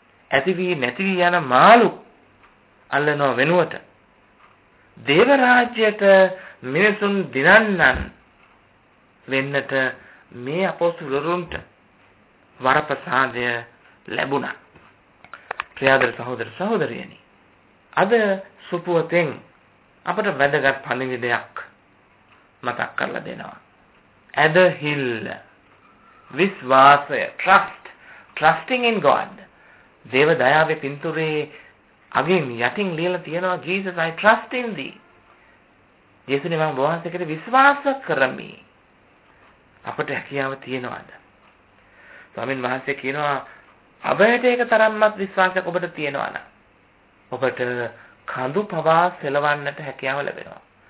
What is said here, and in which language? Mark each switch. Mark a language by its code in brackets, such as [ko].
[si] ඇති වී නැති වී යන මාළු අල්ලනවා වෙනුවට දේව රාජ්‍යයට මිනිසුන් දිනන්නන් වෙන්නට මේ අපොස්තුලවරුන්ට වරප්‍රසාදය ලැබුණා. ප්‍රියදර සහෝදර සහෝදරියනි, අද සුපුවතෙන් අපට වැදගත් පණිවිඩයක් මතක් කරලා දෙනවා. ඇදහිල්ල, විශ්වාසය, [en] trust, trusting in God. [si] දේව දයාවේ පින්තූරේ අගින් යටින් ලියලා තියෙනවා, [en] Jesus, I trust in thee. [si] යේසුනි, මම වහන්සේට විශ්වාස කරමි. අපට හැකියාව තියෙනවද? ස්වාමීන් වහන්සේ කියනවා, ඔබට ඒක තරම්මත් විශ්වාසයක් ඔබට තියෙනවා නම් ඔබට කඳු පවා සෙලවන්නට හැකියාව ලැබෙනවා.